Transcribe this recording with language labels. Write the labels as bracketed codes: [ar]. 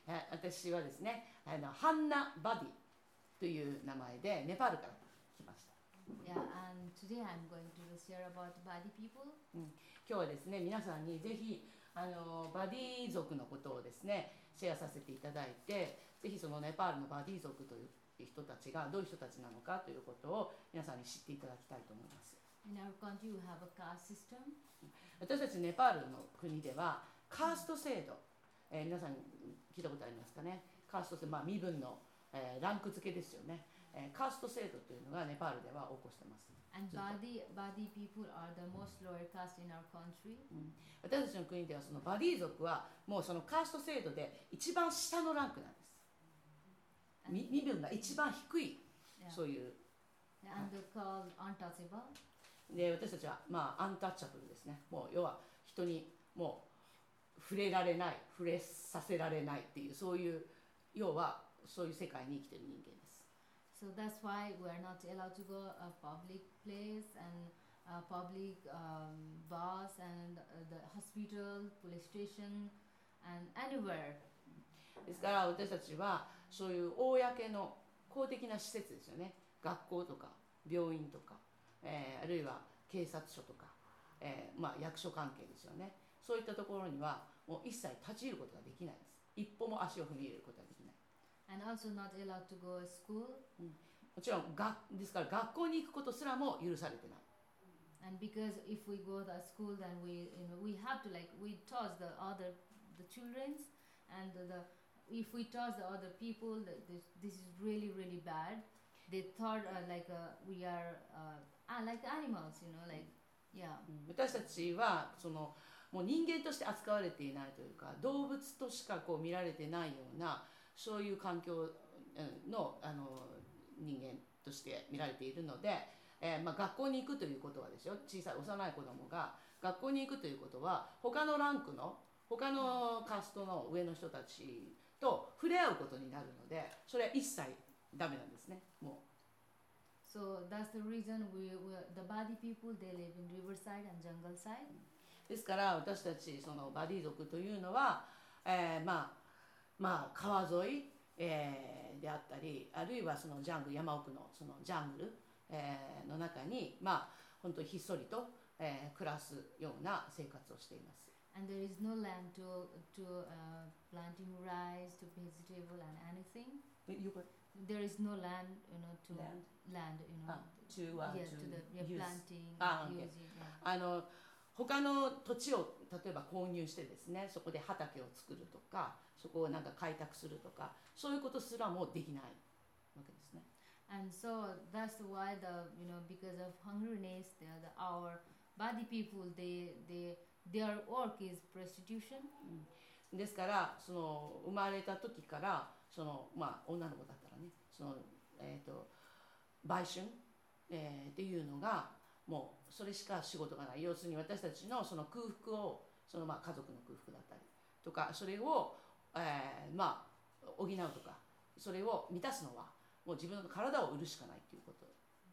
[ja] 私はですね、ハンナ・バディという名前でネパールから来ました。 [en] Yeah, and today I'm going to share about Badi people. [ja] 今日はですね、皆さんにぜひバディ族のことをですね、シェアさせていただいて、ぜひそのネパールのバディ族という人たちがどういう人たちなのかということを皆さんに知っていただきたいと思います。 [en] In our country, we have a caste system. [ja] 私たちネパールの国ではカースト制度、皆さん聞いたことありますかね。カースト制度、まあ、身分の、ランク付けですよね、カースト制度というのがネパールでは起こしています。 [en] And body people are the most lower caste in our country. [ja] 私たちの国ではそのバディ族はもうそのカースト制度で一番下のランクなんです。身分が一番低い、そういう [en] And called untouchable [ja] で、私たちは、まあ、アンタッチャブルですね。もう要は人にもう触れられない、触れさせられないっていう、そういう、要はそういう世界に生きている人間です。 [en] So that's why we are not allowed to go a public place and a public bus and the hospital, police station and anywhere. [ja] ですから私たちはそういう公の公的な施設ですよね。学校とか病院とか。あるいは警察署とか、まあ、役所関係ですよね。そういったところにはもう一切立ち入ることができないです。一歩も足を踏み入れることができない。 [en] And also not allowed to go to school. [ja] もちろんですから学校に行くことすらも許されてない。 [en] And because if we go to school then we, you know, we have to like we touch the other the children and the, if we touch the other people the, this is really really badThey thought like we are like animals, you know, like yeah. [ja] 私たちはそのもう人間として扱われていないというか、動物としかこう見られてないようなそういう環境の人間として見られているので、まあ学校に行くということはですよ、小さい幼い子供が学校に行くということは、他のランクの他のカーストの上の人たちと触れ合うことになるので、それは一切。ダメなんですね。もう。 [en] So that's the reason we the body people they live in riverside and jungle side. [ja] ですから私たちそのバディ族というのは、まあまあ川沿い、であったり、あるいはそのジャングル山奥のそのジャングル、の中にまあ本当にひっそりと、暮らすような生活をしています。 [en] And there is no land to planting rice, to vegetable and anything. There is no land, you know, to land, you know, to the planting, [ja] using. 他の土地を例えば購入してですね、そこで畑を作るとか、そこをなんか開拓するとか、そういうことすらもうできないわけですね。 [en] And so that's why the, you know, because of hungerness, our body people, their work is prostitution. [ja] ですから、その生まれた時から、そのまあ、女の子だったらね、その、売春、っていうのがもうそれしか仕事がない。要するに私たちのその空腹をそのまあ家族の空腹だったりとか、それを、まあ、補うとか、それを満たすのはもう自分の体を売るしかないということです。